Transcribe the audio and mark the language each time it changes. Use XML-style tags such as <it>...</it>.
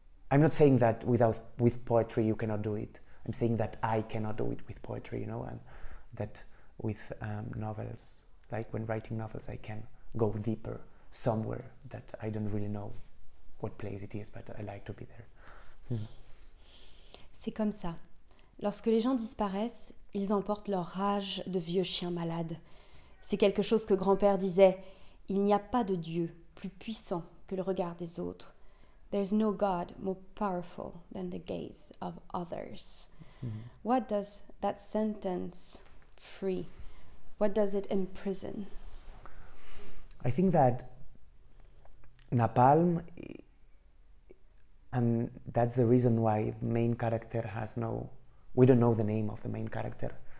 <en>I'm not saying that with poetry you cannot do it. I'm saying that I cannot do it with poetry, you know, and that with novels, like when writing novels, I can go deeper somewhere that I don't really know what place it is, but I like to be there.</en> <fr>C'est comme ça. Lorsque les gens disparaissent, ils emportent leur rage de vieux chiens malades. C'est quelque chose que grand-père disait. Il n'y a pas de Dieu plus puissant que le regard des autres.</fr> <en>There's no God more powerful than the gaze of others. Mm-hmm. What does that sentence free? What does it imprison? I think that Napalm, and that's the reason why the main character has no, we don't know the name of the main character.</en>